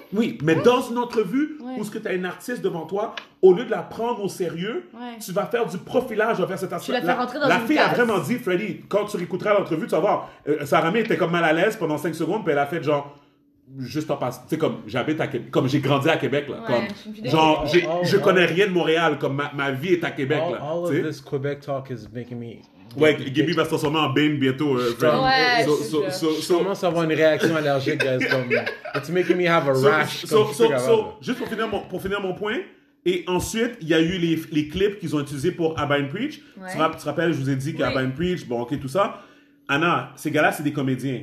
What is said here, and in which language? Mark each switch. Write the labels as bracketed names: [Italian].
[French] Oui, mais dans une entrevue où ce que t'as une artiste devant toi, au lieu de la prendre au sérieux, tu vas faire du profilage envers cette artiste. Tu vas la faire rentrer dans la une fille case. A vraiment dit, Freddy, quand tu réécouteras l'entrevue, tu vas voir, Sarah May était comme mal à l'aise pendant 5 secondes, puis elle a fait genre. Juste en passant, tu sais, comme j'habite à Québec, comme j'ai grandi à Québec, là. Ouais, comme, je connais rien de Montréal, comme ma vie est à Québec, là. [English] All of this Quebec talk is making me. [French] Ouais, Gabby va se transformer en Bane bientôt. Je commence à avoir une réaction allergique, guys. Comme, [English] it's making me have a rash. [French] Juste pour finir mon point, et ensuite, il y a eu les clips qu'ils ont utilisés pour Abba and Preach. Ouais. Tu te rappelles, je vous ai dit qu'Abba and Preach, bon, ok, tout ça. Anna, ces gars-là, c'est des comédiens.